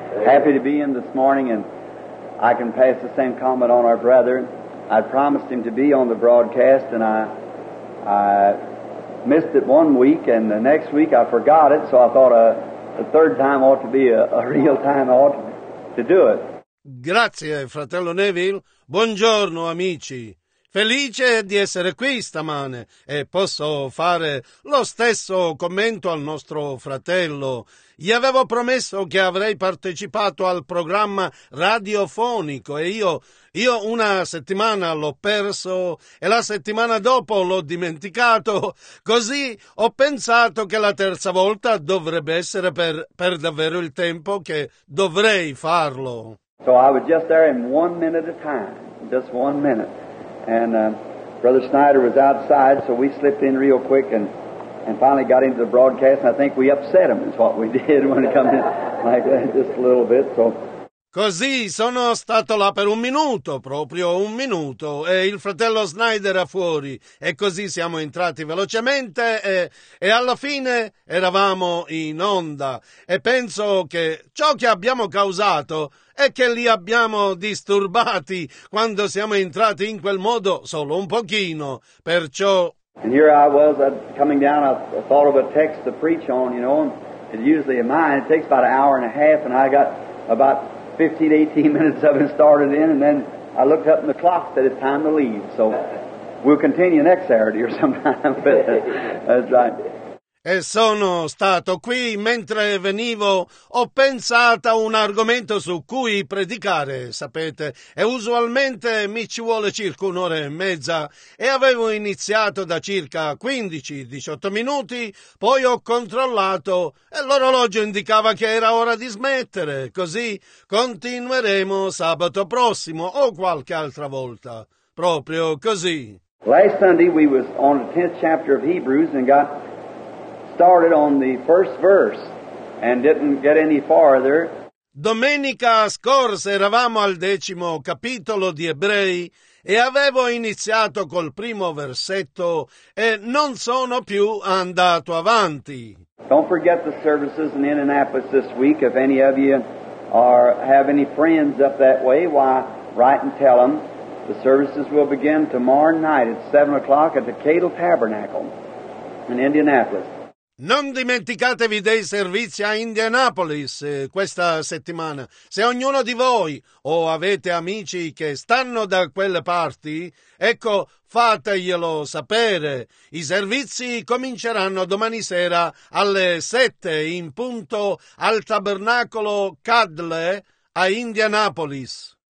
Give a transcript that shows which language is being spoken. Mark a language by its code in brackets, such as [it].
[en] Happy to be in this morning and I can pass the same comment on our brother. I promised him to be on the broadcast, and I missed it 1 week, and the next week I forgot it, so I thought a third time ought to be a real time ought to do it. [it] Grazie, fratello Neville. Buongiorno, amici. Felice di essere qui stamane e posso fare lo stesso commento al nostro fratello. Gli avevo promesso che avrei partecipato al programma radiofonico e io una settimana l'ho perso e la settimana dopo l'ho dimenticato. Così ho pensato che la terza volta dovrebbe essere per davvero il tempo che dovrei farlo. [en] So I was just there in 1 minute of time, just 1 minute. And Brother Snyder was outside, so we slipped in real quick and finally got into the broadcast. And I think we upset him is what we did when it come in like that, just a little bit. So. [it] Così sono stato là per un minuto, proprio un minuto, e il fratello Snyder era fuori. E così siamo entrati velocemente e alla fine eravamo in onda. E penso che ciò che abbiamo causato è che li abbiamo disturbati quando siamo entrati in quel modo solo un pochino. Perciò... [en] And here I was, coming down, I thought of a text to preach on, you know, and usually in mine, it takes about an hour and a half, and I got about... 15-18 minutes of it started in, and then I looked up in the clock that it's time to leave. So we'll continue next Saturday or sometime. But that's right. [it] E sono stato qui mentre venivo, ho pensato a un argomento su cui predicare, sapete, e usualmente mi ci vuole circa un'ora e mezza, e avevo iniziato da circa 15-18 minuti, poi ho controllato e l'orologio indicava che era ora di smettere, così continueremo sabato prossimo o qualche altra volta, proprio così. [en] Last Sunday we was on the 10th chapter of Hebrews and got... started on the first verse and didn't get any farther. [it] Domenica scorsa eravamo al decimo capitolo di Ebrei e avevo iniziato col primo versetto e non sono più andato avanti. [en] Don't forget the services in Indianapolis this week. If any of you are have any friends up that way, why write and tell them. The services will begin tomorrow night at 7 o'clock at the Cato Tabernacle in Indianapolis. [it] Non dimenticatevi dei servizi a Indianapolis questa settimana. Se ognuno di voi o avete amici che stanno da quelle parti, ecco, fateglielo sapere. I servizi cominceranno domani sera alle 7 in punto al Tabernacolo Cadle a Indianapolis.